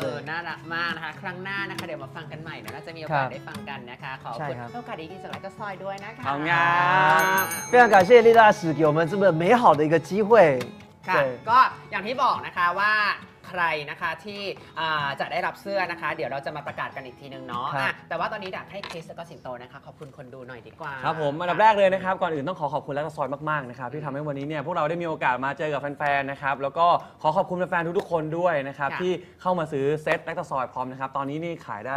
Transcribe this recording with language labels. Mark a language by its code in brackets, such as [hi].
[th] น่ารักมากนะคะครั้งหน้านะคะเดี๋ยวมาฟังกันใหม่นะจะมีโอกาสได้ฟังกันนะคะขอบคุณโอกาสดีที่จะมาซอยด้วยนะคะ ทำงาน [zh] 非常感谢丽大使给我们这么美好的一个机会。 [th] ค่ะก็อย่างที่บอกนะคะว่าใครนะคะที่จะได้รับเสื้อนะคะเดี๋ยวเราจะมาประกาศกันอีกทีนึงเนาะแต่ว่าตอนนี้อยากให้คริสก็สิงโตนะคะขอบคุณคนดูหน่อยดีกว่า ครับผมอันดับแรกเลยนะครับก่อนอื่นต้องขอขอบคุณแล้วก็ซอยมากๆนะครับที่ทำให้วันนี้เนี่ยพวกเราได้มีโอกาสมาเจอกับแฟนๆนะครับแล้วก็ขอขอบคุณแฟนๆทุกๆคนด้วยนะครับที่เข้ามาซื้อเซ็ตแล้วก็ซอยพร้อมนะครับตอนนี้นี่ขายได